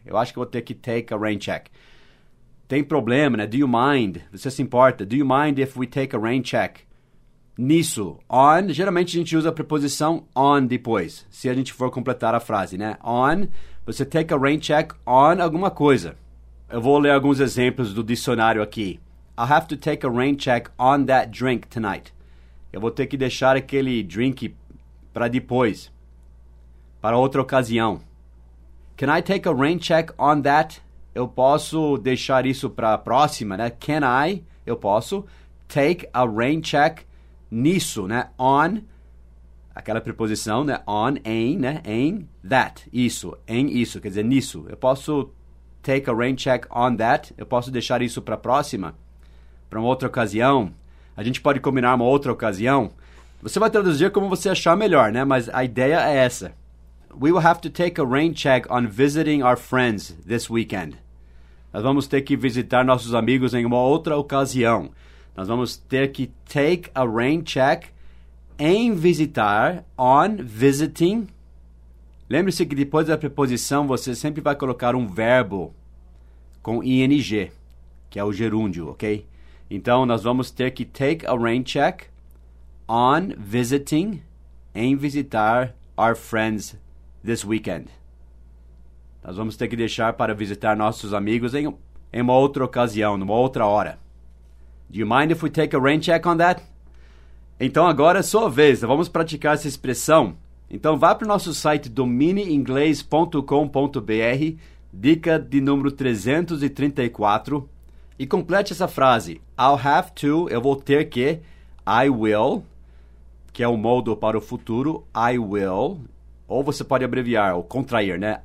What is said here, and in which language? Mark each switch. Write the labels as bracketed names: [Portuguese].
[Portuguese] Eu acho que vou ter que [English] take a rain check. [Portuguese] Tem problema, né? [English] Do you mind? [Portuguese] Você se importa? [English] Do you mind if we take a rain check? [Portuguese] Nisso, on, geralmente a gente usa a preposição on depois, se a gente for completar a frase, né? [English] On, [Portuguese] você [English] take a rain check on [Portuguese] alguma coisa. Eu vou ler alguns exemplos do dicionário aqui. [English] I'll have to take a rain check on that drink tonight. [Portuguese] Eu vou ter que deixar aquele drink para depois, para outra ocasião. [English] Can I take a rain check on that? [Portuguese] Eu posso deixar isso para a próxima, né? [English] Can I, [Portuguese] eu posso, [English] take a rain check [Portuguese] nisso, né? On, aquela preposição, né? On, em, né? Em, that, isso, em isso, quer dizer, nisso. Eu posso [English] take a rain check on that, [Portuguese] eu posso deixar isso para a próxima, para uma outra ocasião. A gente pode combinar uma outra ocasião. Você vai traduzir como você achar melhor, né? Mas a ideia é essa. [English] We will have to take a rain check on visiting our friends this weekend. [Portuguese] Nós vamos ter que visitar nossos amigos em uma outra ocasião. Nós vamos ter que [English] take a rain check [Portuguese] em visitar, [English] on visiting. [Portuguese] Lembre-se que depois da preposição você sempre vai colocar um verbo com ing, que é o gerúndio, ok? Então, nós vamos ter que [English] take a rain check on visiting, [Portuguese] em visitar [English] our friends this weekend. [Portuguese] Nós vamos ter que deixar para visitar nossos amigos em uma outra ocasião, numa outra hora. [English] Do you mind if we take a rain check on that? [Portuguese] Então agora é sua vez, vamos praticar essa expressão. Então vá para o nosso site dominioinglês.com.br, dica de número 334, e complete essa frase. [English] I'll have to, [Portuguese] eu vou ter que, [English] I will, [Portuguese] que é o modo para o futuro, I will, ou você pode abreviar, ou contrair, né?